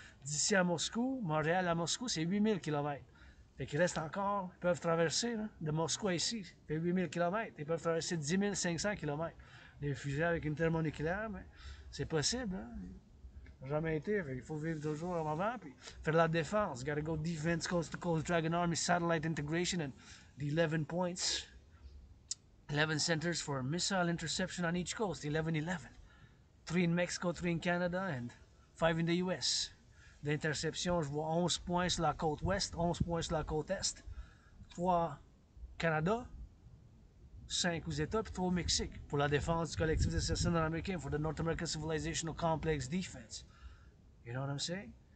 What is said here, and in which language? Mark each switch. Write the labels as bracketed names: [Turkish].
[French] D'ici à Moscou, Montréal à Moscou, c'est 8,000 kilomètres. Fait qu'ils restent encore, ils peuvent traverser, hein, de Moscou à ici, fait 8,000 kilomètres. Ils peuvent traverser 10,500 kilomètres. Les fusées avec une thermonucléaire, mais c'est possible, hein. Jamais été, il faut vivre toujours en avant, puis faire la défense. [English] Gotta go defense coast to coast, Dragon Army, satellite integration, and the 11 points, 11 centers for missile interception on each coast, 11-11. Three in Mexico, three in Canada, and five in the US. [French] D'interception, je vois 11 points sur la côte ouest, 11 points sur la côte est, 3 Canada, 5 aux États, puis 3 au Mexique. Pour la défense du collectif des citoyens américains, [English] for the North American Civilizational Complex Defense. You know what I'm saying?